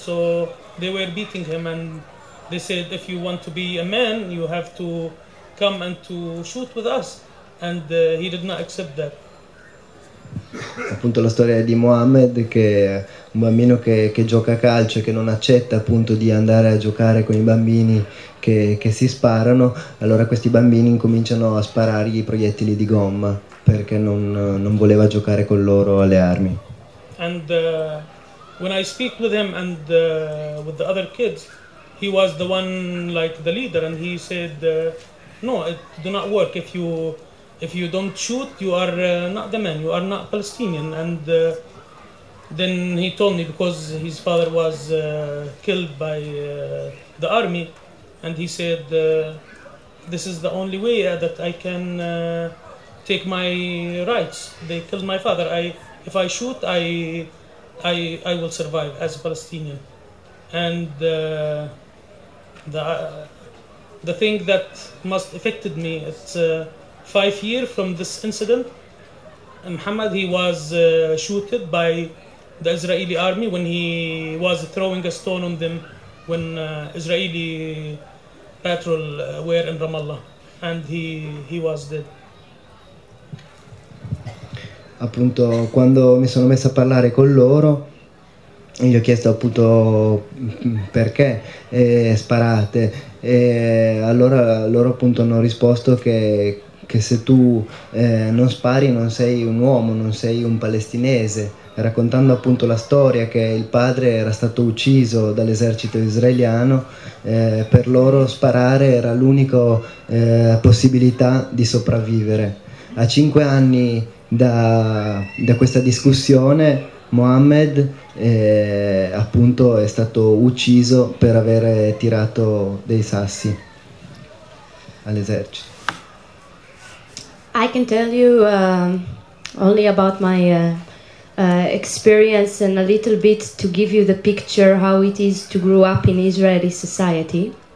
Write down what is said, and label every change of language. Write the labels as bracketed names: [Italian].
[English] So they were beating him, and they said, if you want to be a man, you have to come and to shoot with us. And he did not accept that. [Italian] Appunto la storia di Mohammed, che è un bambino che gioca a calcio e che non accetta appunto di andare a giocare con i bambini che si sparano, allora questi bambini incominciano a sparargli i proiettili di gomma perché non voleva giocare con loro alle armi. [English] And when I speak with him and with the other kids, he was the one like the leader, and he said no, it do not work. If you don't shoot, you are not the man, you are not Palestinian. And then he told me, because his father was killed by the army, and he said, this is the only way that I can take my rights. They killed my father. If I shoot, I will survive as a Palestinian. And the thing that most affected me, it's 5 years from this incident, Muhammad, he was shooted by the Israeli army when he was throwing a stone on them when Israeli patrol were in Ramallah, and he was dead. [Italian] Appunto, quando mi sono messo a parlare con loro, gli ho chiesto appunto perché sparate, e allora loro appunto hanno risposto che se tu non spari non sei un uomo, non sei un palestinese, raccontando appunto la storia che il padre era stato ucciso dall'esercito israeliano, per loro sparare era l'unica possibilità di sopravvivere. A 5 anni da questa discussione, Mohammed appunto è stato ucciso per aver tirato dei sassi all'esercito. [English] I can tell you only about my experience and a little bit to give you the picture how it is to grow up in Israeli society.